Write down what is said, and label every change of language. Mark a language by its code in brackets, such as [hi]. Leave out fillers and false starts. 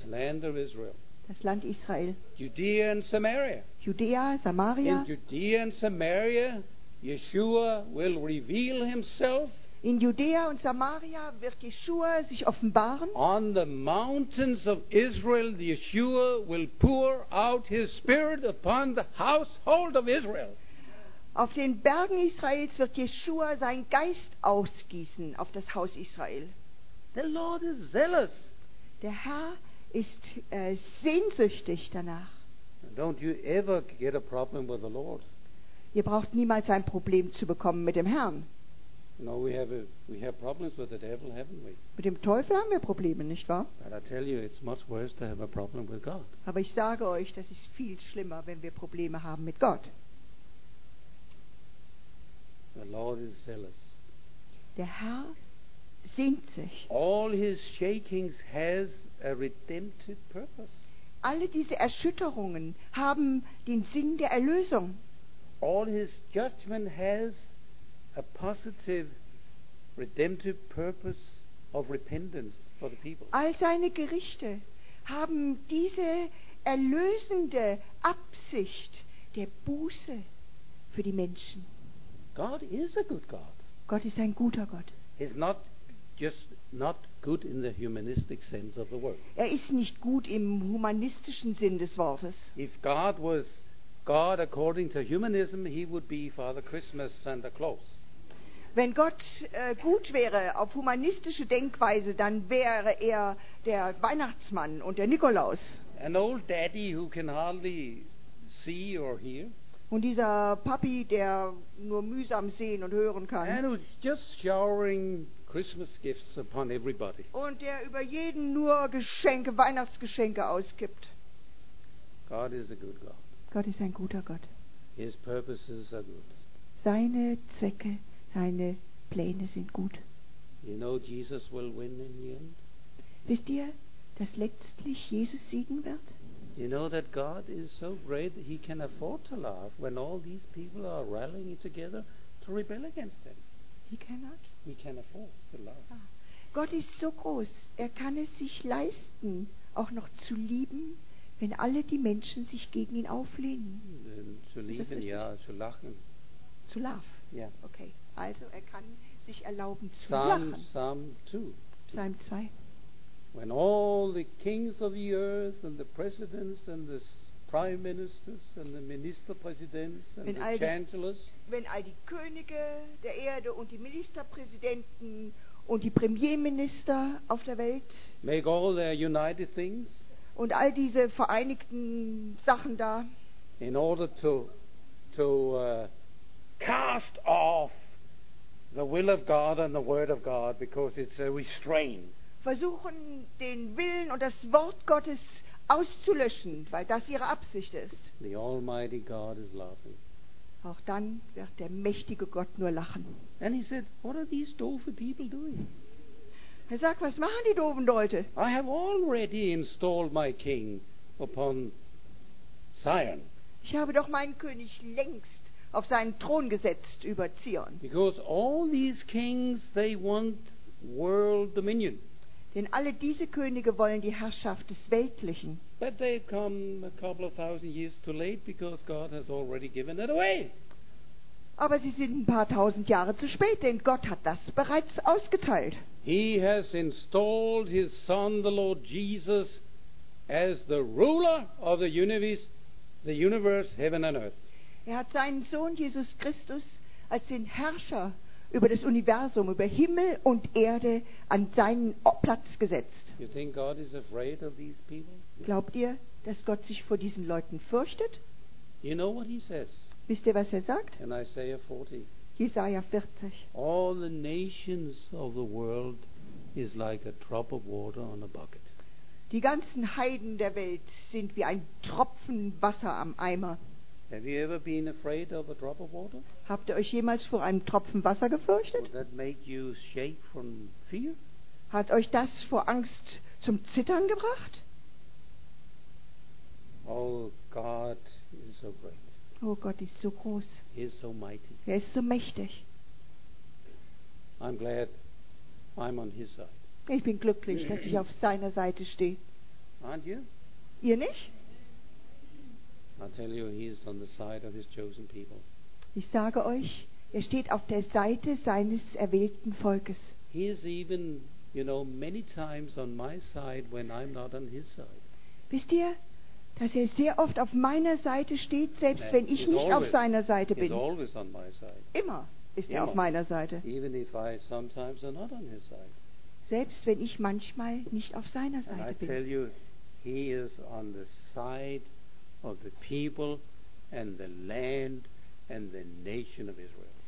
[en] The land of Israel. [de] Das Land Israel. [en] Judea and Samaria. [de] Judea, Samaria. [en] In Judea and Samaria, Yeshua will reveal himself. [de] In Judea und Samaria wird Yeshua sich offenbaren. [en] On the mountains of Israel, Yeshua will pour out his spirit upon the household of Israel. [de] Auf den Bergen Israels wird Yeshua sein Geist ausgießen auf das Haus Israel. [en] The Lord is zealous. [de] Der Herr ist sehnsüchtig danach. [en] Don't you ever get a problem with the Lord? [de] Ihr braucht niemals ein Problem zu bekommen mit dem Herrn. [en] No, we have problems with the devil, haven't we? [de] Mit dem Teufel haben wir Probleme, nicht wahr? [en] But I tell you, it's much worse to have a problem with God. [de] Aber ich sage euch, das ist viel schlimmer, wenn wir Probleme haben mit Gott. [en] The Lord is zealous. [de] Der Herr sehnt sich. [en] All his shakings has a redemptive purpose. [de] Alle diese Erschütterungen haben den Sinn der Erlösung. [en] All his judgment has a positive redemptive purpose of repentance for the people. [de] All seine Gerichte haben diese erlösende Absicht der Buße für die Menschen. [en] God is a good God. [de] Gott ist ein guter Gott. [en] He's not just not good in the humanistic sense of the word. [de] Er ist nicht gut im humanistischen Sinn des Wortes. [en] If God was God according to humanism, he would be Father Christmas, Santa Claus. [de] Wenn Gott gut wäre auf humanistische Denkweise, dann wäre er der Weihnachtsmann und der Nikolaus. [en] An old daddy who can hardly see or hear. [de] Und dieser Papi, der nur mühsam sehen und hören kann. [en] And who's just showering Christmas gifts upon everybody. [de] Und der über jeden nur Geschenke, Weihnachtsgeschenke ausgibt. [en] God is a good God. [de] Gott ist ein guter Gott. [en] His purposes are good. [de] Seine Zwecke, seine Pläne sind gut. [en] You know, Jesus will win in the end. [de] Wisst ihr, dass letztlich Jesus siegen wird? [en] You know that God is so great that he can afford to laugh when all these people are rallying together to rebel against him. He cannot. He can afford to laugh. Ah. [de] Gott ist so groß, er kann es sich leisten, auch noch zu lieben, wenn alle die Menschen sich gegen ihn auflehnen. Zu lieben, ja, zu lachen. Zu lachen? Ja. Yeah. Okay, also er kann sich erlauben zu [en] Psalm 2. [de] Psalm 2. [en] When all the kings of the earth and the presidents and the prime ministers and the ministerpräsidents and [de] wenn [en] the chancellors, [de] wenn all die Könige der Erde und die Ministerpräsidenten und die Premierminister auf der Welt [en] make all their united things, [de] und all diese vereinigten Sachen da [en] in order to cast off the will of God and the word of God because it's a restraint. [de] Versuchen, den Willen und das Wort Gottes auszulöschen, weil das ihre Absicht ist. [en] The Almighty God is laughing. [de] Auch dann wird der mächtige Gott nur lachen. [en] And he said, what are these doofe people doing? [de] Er sagt, was machen die doofen Leute? [en] I have already installed my king upon Zion. [de] Ich habe doch meinen König längst auf seinen Thron gesetzt über Zion. [en] Because all these kings, they want world dominion. [de] Denn alle diese Könige wollen die Herrschaft des Weltlichen. [en] But they come a couple of thousand years too late because God has already given it away. [de] Aber sie sind ein paar tausend Jahre zu spät, denn Gott hat das bereits ausgeteilt. [en] He has installed his son, the Lord Jesus, as the ruler of the universe, heaven and earth. [de] Er hat seinen Sohn Jesus Christus als den Herrscher über das Universum, über Himmel und Erde an seinen Platz gesetzt. [en] You think God is afraid of these people? [de] Glaubt ihr, dass Gott sich vor diesen Leuten fürchtet? [en] You know what he says? [de] Wisst ihr, was er sagt? [en] In Isaiah 40. [de] Jesaja 40. [en] All the nations of the world is like a drop of water on a bucket. [de] Die ganzen Heiden der Welt sind wie ein Tropfen Wasser am Eimer. [en] Have you ever been afraid of a drop of water? [de] Habt ihr euch jemals vor einem Tropfen Wasser gefürchtet? [en] Would that make you shake from fear? [de] Hat euch das vor Angst zum Zittern gebracht? [en] Oh, God is so great. [de] Oh, Gott ist so groß. [en] He is so mighty. [de] Er ist so mächtig. [en] I'm glad I'm on his side. [de] Ich bin glücklich, dass ich auf seiner Seite stehe. [en] Aren't you? [de] Ihr nicht? [en] I tell you, he is on the side of his chosen people. [de] Ich sage euch, er steht auf der Seite seines erwählten Volkes. [en] He is even, you know, many times on my side when I'm not on his side. [de] Wisst ihr, dass er sehr oft auf meiner Seite steht, selbst wenn ich nicht auf seiner Seite bin. [en] He's always on my side. [de] Immer ist er auf meiner Seite. [en] Even if I sometimes am not on his side. [de] Selbst wenn ich manchmal nicht auf seiner Seite bin. [en] I tell you, he is on the side of the people and the land and the nation of Israel.